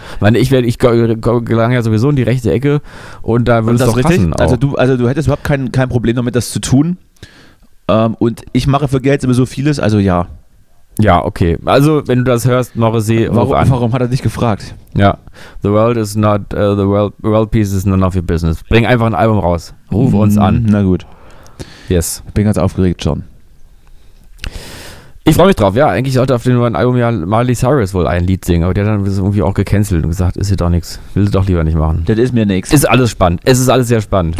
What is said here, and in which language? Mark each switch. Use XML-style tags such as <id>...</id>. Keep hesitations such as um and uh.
<de>Weil ich werde, mein, ich, ich gelange ja sowieso in die rechte Ecke und da würde es doch richtig? passen. Also du, also du hättest überhaupt kein, kein Problem damit, das zu tun. Ähm, und ich mache für Geld immer so vieles, also ja. Ja, okay. Also, wenn du das hörst, Morrissey, warum, an. warum hat er dich gefragt? Ja.</de> <en>The world is not, uh, the world, world peace is none of your business.</en> <de>Bring einfach ein Album raus. Ruf mhm. uns an. Na gut. Yes. Ich bin ganz aufgeregt schon. Ich freue mich drauf. Ja, eigentlich sollte auf dem neuen Album ja Marley Cyrus wohl ein Lied singen, aber der hat dann irgendwie auch gecancelt und gesagt, ist hier doch nichts. Will sie doch lieber nicht machen. Das ist mir nichts. Ist alles spannend. Es ist alles sehr spannend.</de>